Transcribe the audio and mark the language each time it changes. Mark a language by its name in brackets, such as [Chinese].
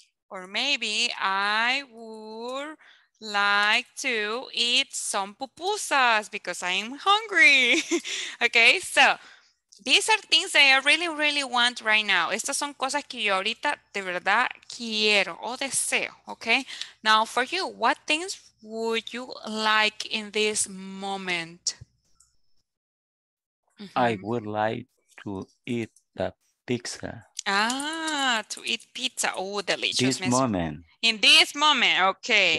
[English] Or maybe I would like to eat some pupusas because I am hungry. Okay, so these are things that I really, really want right now. [Spanish] Estas son cosas que yo ahorita de verdad quiero o deseo. [English] Okay, now for you, what things would you like in this moment? I would like to eat the pizza. Ah, to eat pizza. Oh, delicious. This moment. In this moment, okay.